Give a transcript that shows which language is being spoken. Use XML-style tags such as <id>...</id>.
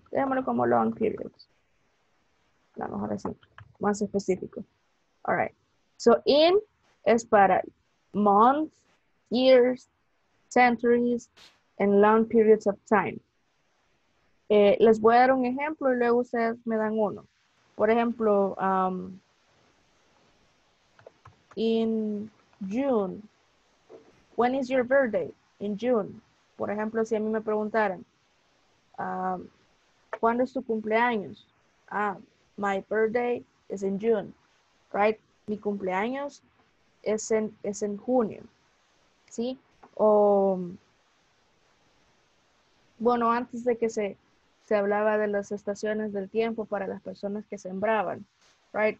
<es>Dejémoslo como long periods. La mejor así, más específico. All right.</es> <en>So in</en> <es>es para</es> <en>months, years, centuries, and long periods of time.</en> <es>Les voy a dar un ejemplo y luego ustedes me dan uno. Por ejemplo,</es> <en>in June, when is your birthday? In June.</en> <es>Por ejemplo, si a mí me preguntaran, ¿cuándo es tu cumpleaños?</es> <en>Ah, my birthday is in June, right?</en> <es>Mi cumpleaños es en junio, ¿sí? O, bueno, antes de que se hablaba de las estaciones del tiempo para las personas que sembraban, right?</es>